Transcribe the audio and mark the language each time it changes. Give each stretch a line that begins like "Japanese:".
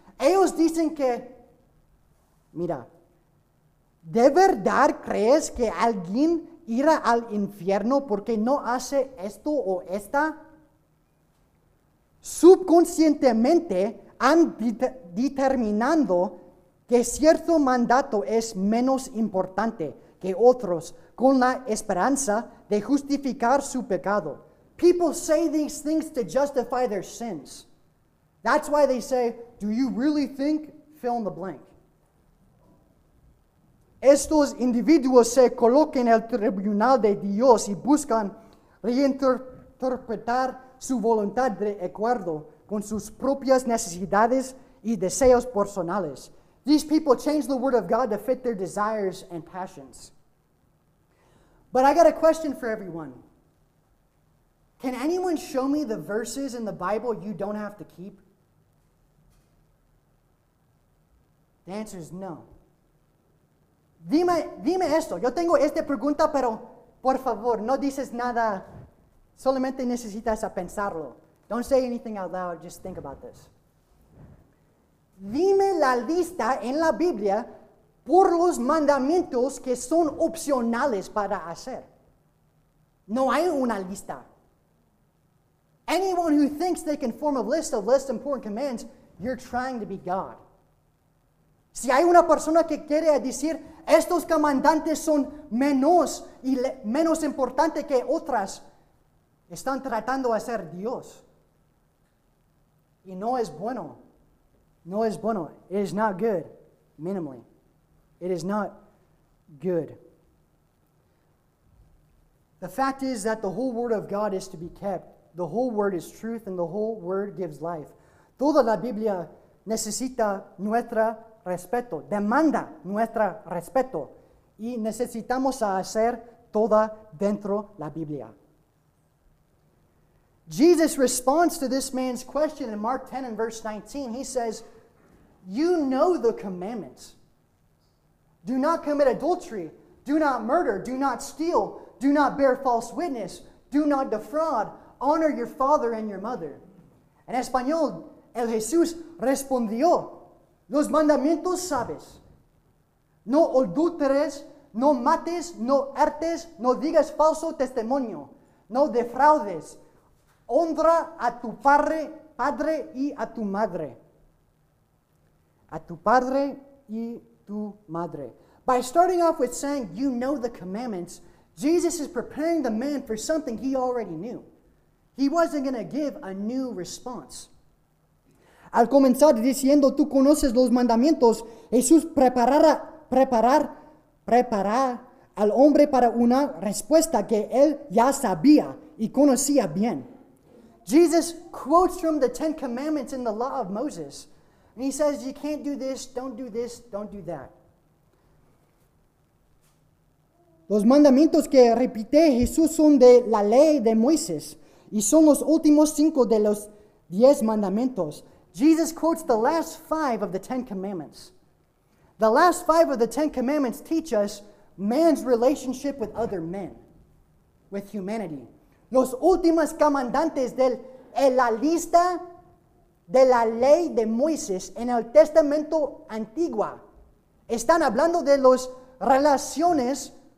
Spanish: Ellos dicen que, mira, ¿de verdad crees que alguien irá al infierno porque no hace esto o esta? Subconscientemente han determinando que cierto mandato es menos importante que otros con la esperanza de justificar su pecado.
English: People say these things to justify their sins. That's why they say, do you really think? Fill in the blank.
Spanish: Estos individuos se colocan en el tribunal de Dios y buscan reinterpretar su voluntad de acuerdo con sus propias necesidades y deseos personales.
English: These people change the word of God to fit their desires and passions. But I got a question for everyone. Can anyone show me the verses in the Bible you don't have to keep? The answer is no.
Spanish: Dime esto. Yo tengo esta pregunta, pero por favor, no dices nada. Solamente necesitas a pensarlo.
English: Don't say anything out loud. Just think about this.
Spanish: Dime la lista en la Biblia por los mandamientos que son opcionales para hacer. No hay una lista.
English: Anyone who thinks they can form a list of less important commands, you're trying to be God.
Spanish: Si hay una persona que quiere decir estos comandantes son menos y menos importante que otras, están tratando de ser Dios. Y no es bueno. No es bueno.
English: It is not good, minimally. It is not good. The fact is that the whole word of God is to be kept. The whole word is truth, and the whole word gives life.
Spanish: Toda la Biblia necesita nuestro respeto, demanda nuestro respeto, y necesitamos hacer toda dentro la Biblia.
English: Jesus responds to this man's question in Mark 10 and verse 19. He says, you know the commandments. Do not commit adultery. Do not murder. Do not steal. Do not bear false witness. Do not defraud. Honor your father and your mother.
Spanish: En español, el Jesús respondió, los mandamientos sabes. No adulteres, no mates, no hurtes, no digas falso testimonio, no defraudes. Honra a tu padre y a tu madre. A tu padre y tu madre.
English: By starting off with saying, you know the commandments, Jesus is preparing the man for something he already knew. He wasn't going to give a new response.
Spanish: Al comenzar diciendo, tú conoces los mandamientos, Jesús prepara al hombre para una respuesta que él ya sabía y conocía bien.
English: Jesus quotes from the Ten Commandments in the Law of Moses. And he says, you can't do this, don't do this, don't do that.
Spanish: Los mandamientos que repite Jesús son de la ley de Moisés y son los últimos cinco de los diez mandamientos.
English: Jesus quotes the last five of the Ten Commandments. The last five of the Ten Commandments teach us man's relationship with other men, with humanity.
Spanish: Los últimos comandantes de la lista de la ley de Moisés en el Testamento Antiguo están hablando de las relaciones